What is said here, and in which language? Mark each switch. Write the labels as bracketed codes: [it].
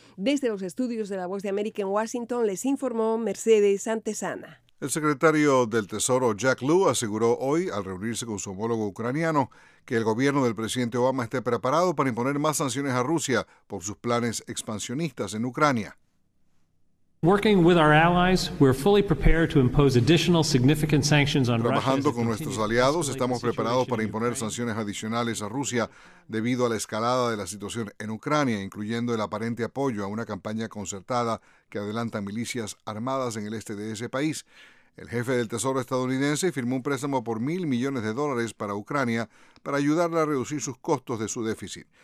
[es] Desde los estudios de La Voz de América en Washington les informó Mercedes Antesana. El secretario del Tesoro Jack Lew aseguró hoy, al reunirse con su homólogo ucraniano, que el gobierno del presidente Obama esté preparado para imponer más sanciones a Rusia por sus planes expansionistas en Ucrania. [en] Working with our allies, we're fully prepared to impose additional significant sanctions on [es] Trabajando con nuestros aliados, estamos preparados para imponer sanciones adicionales a Rusia debido a la escalada de la situación en Ucrania, incluyendo el aparente apoyo a una campaña concertada que adelantan milicias armadas en el este de ese país. El jefe del Tesoro estadounidense firmó un préstamo por $1,000 millones para Ucrania para ayudarla a reducir sus costos de su déficit.